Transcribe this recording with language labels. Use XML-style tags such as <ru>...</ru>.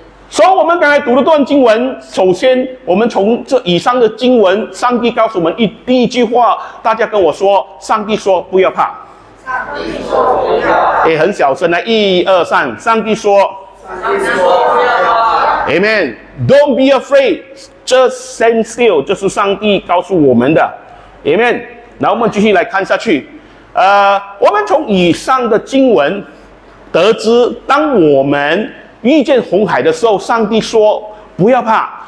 <zh>所以我们刚才读了段经文，首先我们从这以上的经文，上帝告诉我们第一句话，大家跟我说，上帝说不要怕。上帝说不要怕。也很小声来，一二三，上帝说。上帝说不要怕。 Amen。</zh> <en>Don't be afraid, just stand still,</en> <zh>这是上帝告诉我们的。 Amen。那我们继续来看下去，我们从以上的经文得知，当我们遇见红海的时候，上帝说不要怕。</zh>